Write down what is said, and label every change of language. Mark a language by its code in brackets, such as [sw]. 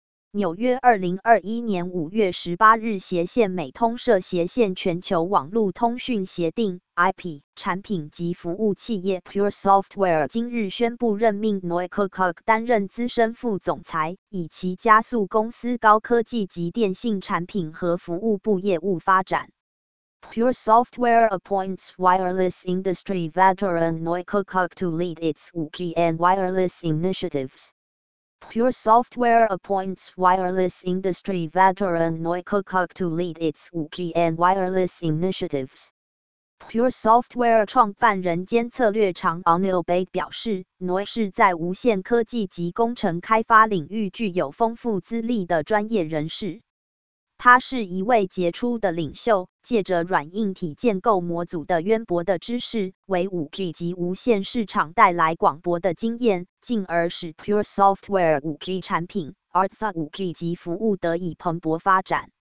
[zh] 纽约2021年5月18日斜线美通社斜线全球网络通讯协定 IP 产品及服务企业 Pure Software 今日宣布任命 Noy Kirkuk 担任资深副总裁，以其加速公司高科技及电信产品和服务部业务发展。 [en] Pure Software appoints wireless industry veteran Noy Kirkuk to lead its 5G and wireless initiatives. Pure Software appoints wireless industry veteran Noy Kirkuk to lead its 5G and wireless initiatives. [zh] Pure Software 创办人兼策略长 Anil Bay 表示， Noy 是在无线科技及工程开发领域具有丰富资历的专业人士。他是一位杰出的领袖，借着软硬体建构模组的渊博的知识，为 5G 及无线市场带来广博的经验，进而使 Pure Software 5G 产品 Artha 5G 及服务得以蓬勃发展。